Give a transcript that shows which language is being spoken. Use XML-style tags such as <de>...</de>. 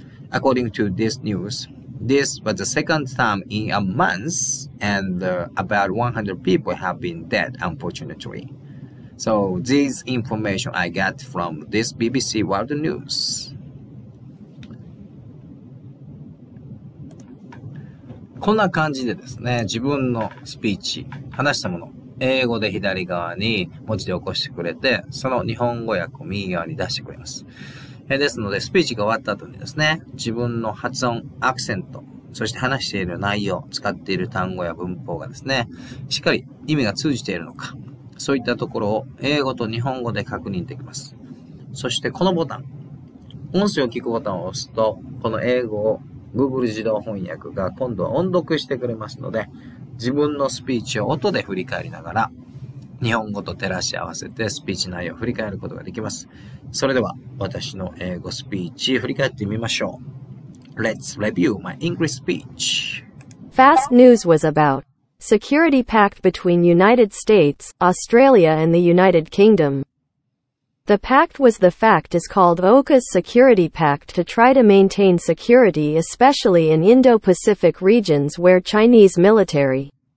<en>According to this news,This was the second time in a month, and about 100 people have been dead, unfortunately. So, this information I got from this BBC World News.</en> <ja>こんな感じでですね、自分のスピーチ、話したもの、英語で左側に文字で起こしてくれて、その日本語訳を右側に出してくれます。ですので、スピーチが終わった後にですね、自分の発音、アクセント、そして話している内容、使っている単語や文法がですね、しっかり意味が通じているのか、そういったところを英語と日本語で確認できます。そしてこのボタン、音声を聞くボタンを押すと、この英語を Google 自動翻訳が今度は音読してくれますので、自分のスピーチを音で振り返りながら、日本語と照らし合わせてスピーチ内容を振り返ることができます。それでは私の英語スピーチ振り返ってみましょう。</ja> <en>Let's review my English speech. Fast news was about security pact between United States, Australia and the United Kingdom. The pact was the fact is called AUKUS Security Pact to try to maintain security especially in Indo-Pacific regions where Chinese military</en>